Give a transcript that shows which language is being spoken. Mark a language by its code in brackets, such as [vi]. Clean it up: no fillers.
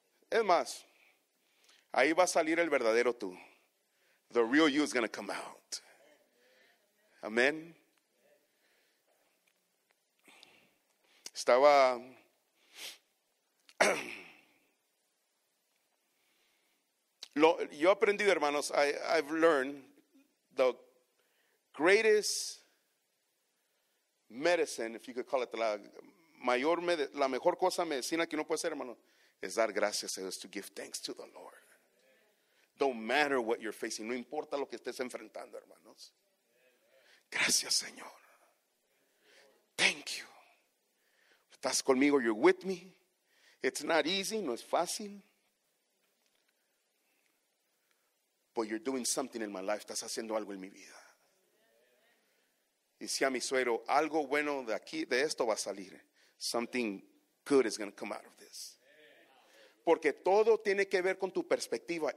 [es] Es más, ahí va a salir el verdadero tú. [en] The real you is going to come out. [es] Amén. Estaba yo he aprendido, hermanos, [en] I've learned the greatest medicine, if you could call it, [es] la mejor cosa medicina que uno puede hacer, hermano, es dar gracias a Dios, [en] to give thanks to the Lord. Don't matter what you're facing, [es] no importa lo que estés enfrentando, hermanos. Gracias, Señor. [en] Thank you. [es] Estás conmigo, [en] you're with me. It's not easy, [es] no es fácil. [en] But you're doing something in my life. [es] Estás haciendo algo en mi vida. Y si a mi suegro, algo bueno de aquí, de esto va a salir. [en] Something good is going to come out of this. [es] Porque todo tiene que ver con tu perspectiva.